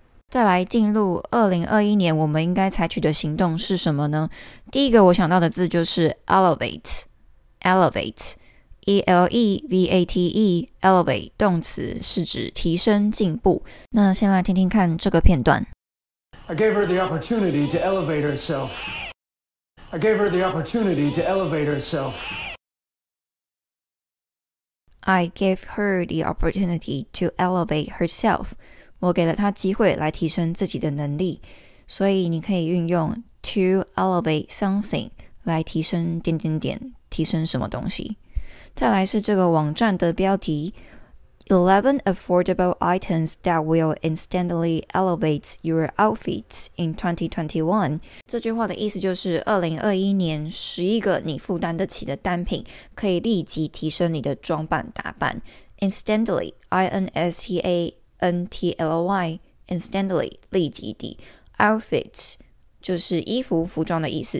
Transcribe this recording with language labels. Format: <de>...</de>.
<zh>再来进入2021年，我们应该采取的行动是什么呢？第一个我想到的字就是 elevate, elevate. E-L-E-V-A-T-E, elevate, 动词是指提升、进步。那先来听听看这个片段。</zh> <en>I gave her the opportunity to elevate herself. I gave her the opportunity to elevate herself. I gave her the opportunity to elevate herself.</en> <zh>我给了她机会来提升自己的能力。所以你可以运用</zh> <en>to elevate something</en> <zh>来提升点点点，提升什么东西。再来是这个网站的标题</zh> <en>11 affordable items that will instantly elevate your outfits in 2021.</en> <zh>这句话的意思就是2021年11个你负担得起的单品可以立即提升你的装扮打扮。</zh> <en>Instantly, I-N-S-T-A-N-T-L-Y, instantly, 立即的。</en> <zh>Outfits,就是衣服服装的意思。</zh>